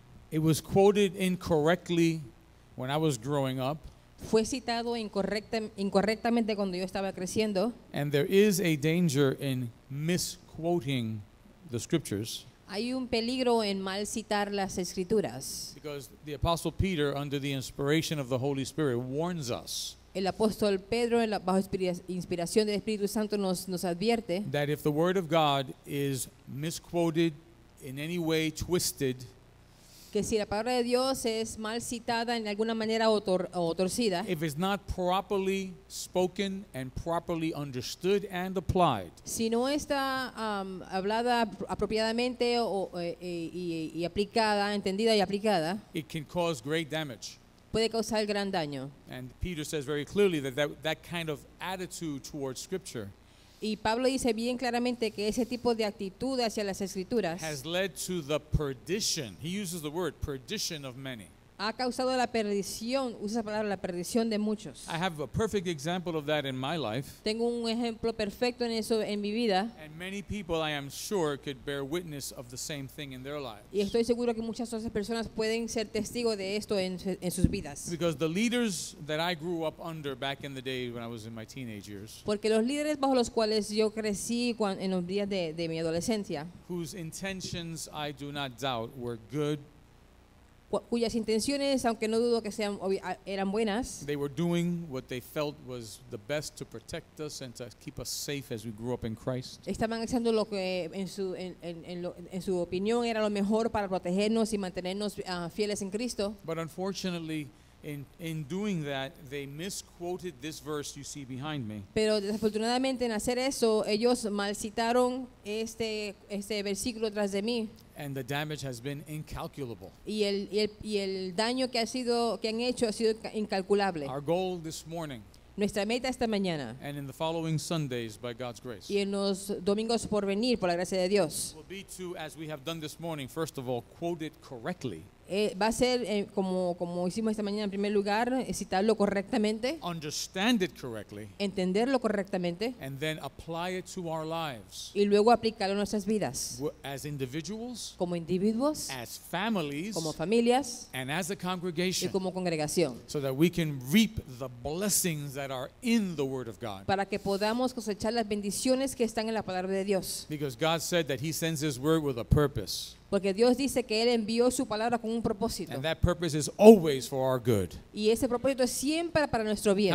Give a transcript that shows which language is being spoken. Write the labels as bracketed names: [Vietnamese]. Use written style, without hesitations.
[English] It was quoted incorrectly when I was growing up. [Spanish] Fue citado incorrectamente cuando yo estaba creciendo. [English] And there is a danger in misquoting the scriptures. [Spanish] Hay un peligro en mal citar las escrituras. [English] Because the Apostle Peter, under the inspiration of the Holy Spirit, warns us. [Spanish] El apóstol Pedro, bajo inspiración del Espíritu Santo, nos advierte. [English] That if the word of God is misquoted, in any way twisted, [Spanish] que si la palabra de Dios es mal citada en alguna manera o torcida, [English] if it's not properly spoken and properly understood and applied, [Spanish] si no está hablada apropiadamente o y aplicada, entendida y aplicada, [English] it can cause great damage. [Spanish] puede causar gran daño. [English] And Peter says very clearly that that kind of attitude towards Scripture. [Spanish] Y Pablo dice bien claramente que ese tipo de actitud hacia las escrituras [English] has led to the perdition. He uses the word perdition of many. [Spanish] Ha causado la perdición, usa la palabra la perdición de muchos. [English] I have a perfect example of that in my life. [Spanish] Tengo un ejemplo perfecto en eso en mi vida. [English] And many people, I am sure, could bear witness of the same thing in their lives. [Spanish] Y estoy seguro que muchas otras personas pueden ser testigo de esto en sus vidas. [English] Because the leaders that I grew up under back in the day when I was in my teenage years. [Spanish] Porque los líderes bajo los cuales yo crecí en los días de mi adolescencia. [English] Whose intentions I do not doubt were good. [Spanish] Cuyas intenciones, aunque no dudo que sean, eran buenas. [English] They were doing what they felt was the best to protect us and to keep us safe as we grew up in Christ. [Spanish] Estaban haciendo lo que en su opinión era lo mejor para protegernos y mantenernos fieles en Cristo. [English] But unfortunately, in doing that, they misquoted this verse you see behind me. [Spanish] Pero desafortunadamente en hacer eso, ellos mal citaron este versículo tras de mí. [English] And the damage has been incalculable. [Spanish] Y el daño que han hecho ha sido incalculable. [English] Our goal this morning. [Spanish] Nuestra meta esta mañana. [English] And in the following Sundays, by God's grace. [Spanish] Y en los domingos por venir, por la gracia de Dios. [English] Will be to, as we have done this morning, first of all, quote it correctly. [Spanish] Va a ser como hicimos esta mañana en primer lugar, citarlo correctamente. [English] Understand it correctly. [Spanish] Entenderlo correctamente. [English] And then apply it to our lives. [Spanish] Y luego aplicarlo a nuestras vidas. [English] As individuals. [Spanish] Como individuos. [English] As families. [Spanish] Como familias. [English] And as a congregation. [Spanish] Y como congregación. [English] So that we can reap the blessings that are in the Word of God. [Spanish] Para que podamos cosechar las bendiciones que están en la palabra de Dios. [English] Because God said that He sends His Word with a purpose. [Spanish] Porque Dios dice que Él envió su palabra con un propósito. [English] And that purpose is always for our good. [Spanish] Y ese propósito es siempre para nuestro bien.